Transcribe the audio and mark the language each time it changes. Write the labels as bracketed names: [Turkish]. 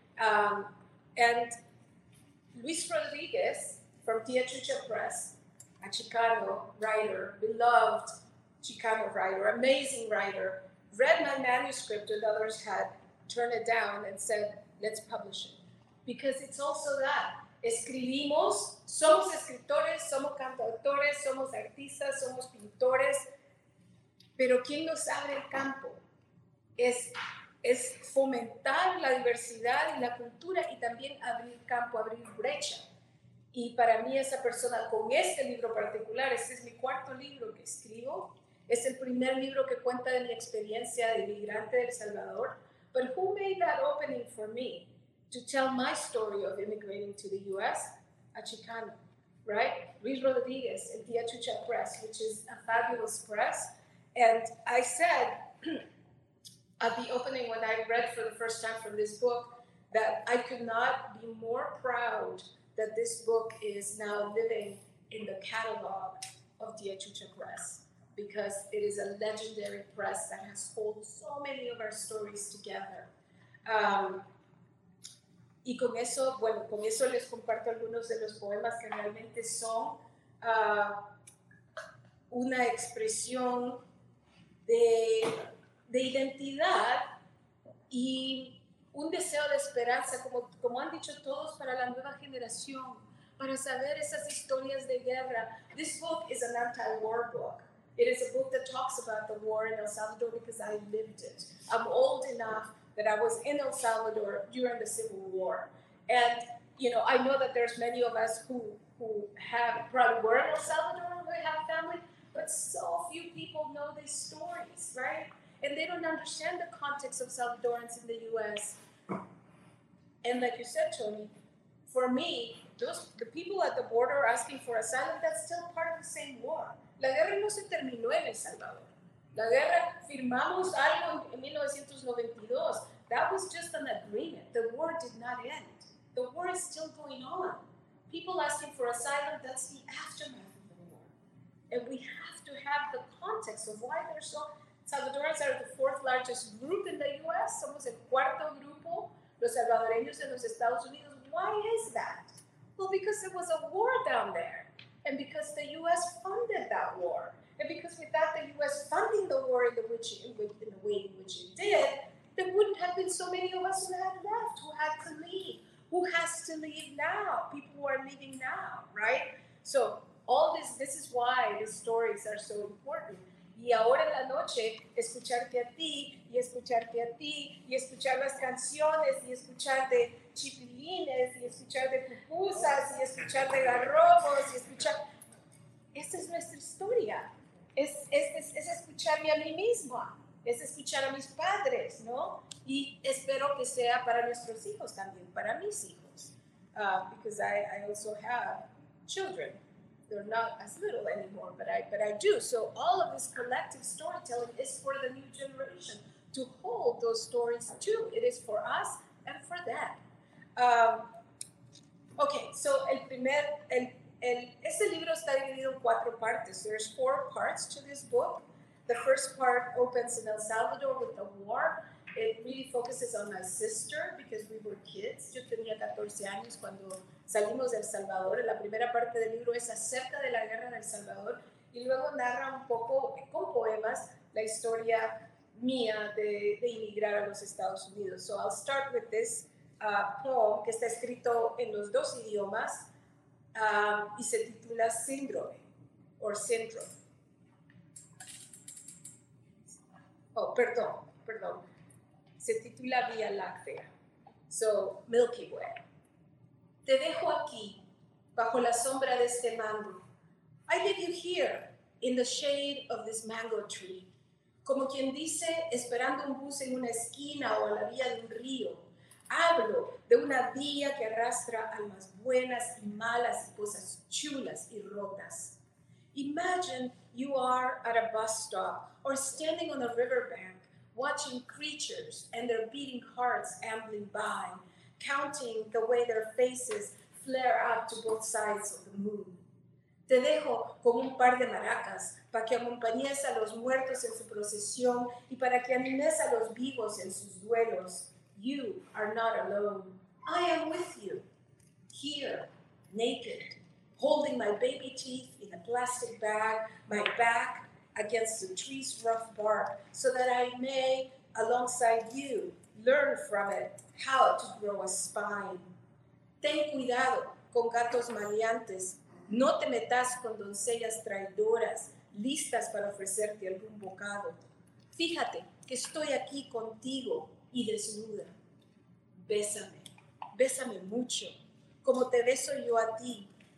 [English] And Luis Rodriguez from Teachucha Press, a Chicano writer, beloved Chicano writer, amazing writer, read my manuscript and others had turned it down and said, let's publish it. Because it's also that. [Spanish] Escribimos, somos escritores, somos cantautores, somos artistas, somos pintores, pero quien nos abre el campo es fomentar la diversidad y la cultura y también abrir campo, abrir brecha. Y para mí esa persona con este libro particular, este es mi cuarto libro que escribo, es el primer libro que cuenta de mi experiencia de inmigrante de El Salvador, [English] but who made that opening for me? To tell my story of immigrating to the U.S., a Chicano, right? Luis Rodriguez and Teachucha Press, which is a fabulous press. And I said at the opening when I read for the first time from this book that I could not be more proud that this book is now living in the catalog of Teachucha Press, because it is a legendary press that has told so many of our stories together. [Spanish] Y con eso, bueno, con eso les comparto algunos de los poemas que realmente son una expresión de identidad y un deseo de esperanza, como han dicho todos, para la nueva generación, para saber esas historias de guerra. [English] This book is an anti-war book. It is a book that talks about the war in El Salvador because I lived it. I'm old enough that I was in El Salvador during the Civil War. And, you know, I know that there's many of us who have, probably were in El Salvador and we have family, but so few people know these stories, right? And they don't understand the context of Salvadorans in the U.S. And like you said, Tony, For me, those the people at the border are asking for asylum, that's still part of the same war. [Spanish] La guerra no se terminó en El Salvador. La guerra, firmamos algo en 1992. [English] That was just an agreement. The war did not end. The war is still going on. People asking for asylum, that's the aftermath of the war. And we have to have the context of why they're so... Salvadorans are the fourth largest group in the U.S. [Spanish] Somos el cuarto grupo, los salvadoreños en los Estados Unidos. [English] Why is that? Well, because there was a war down there. And because the U.S. funded that war. And because without the U.S. funding the war in the way in which it did, there wouldn't have been so many of us who had left, who had to leave, who has to leave now, people who are leaving now, right? So all this is why the stories are so important. [Spanish] Y ahora en la noche, escucharte a ti, y escucharte a ti, y escuchar las canciones, y escuchar de chipilines, y escuchar de pupusas, y escuchar de garrobos, y escuchar... Esta es nuestra historia. Es escucharme a mí misma. Es escuchar a mis padres, ¿no? Y espero que sea para nuestros hijos también, para mis hijos. [English] Because I also have children. They're not as little anymore, but I do. So all of this collective storytelling is for the new generation to hold those stories too. It is for us and for them. Okay, so [Spanish] este libro está dividido en cuatro partes. [English] There's four parts to this book. The first part opens in El Salvador with the war. It really focuses on my sister because we were kids. [Spanish] Yo tenía 14 años cuando salimos de El Salvador. La primera parte del libro es acerca de la guerra en El Salvador. Y luego narra un poco, con poemas, la historia mía de inmigrar a los Estados Unidos. [English] So I'll start with this poem [Spanish] que está escrito en los dos idiomas y se titula Síndrome, or Syndrome. Oh, perdón. Se titula Vía Láctea. [English] So, Milky Way. [Spanish] Te dejo aquí, bajo la sombra de este mango. [English] I leave you here, in the shade of this mango tree. [Spanish] Como quien dice, esperando un bus en una esquina o a la vía de un río. Hablo de una vía que arrastra almas buenas y malas y cosas chulas y rotas. [English] Imagine you are at a bus stop or standing on a riverbank, watching creatures and their beating hearts ambling by, counting the way their faces flare up to both sides of the moon. [Spanish] Te dejo con un par de maracas para que acompañes a los muertos en su procesión y para que animes a los vivos en sus duelos. [English] You are not alone. I am with you, here, naked, holding my baby teeth in a plastic bag, my back against the tree's rough bark, so that I may, alongside you, learn from it how to grow a spine. [Spanish] Ten cuidado con gatos maleantes. No te metas con doncellas traidoras, listas para ofrecerte algún bocado. Fíjate que estoy aquí contigo y desnuda. Bésame, bésame mucho, como te beso yo a ti.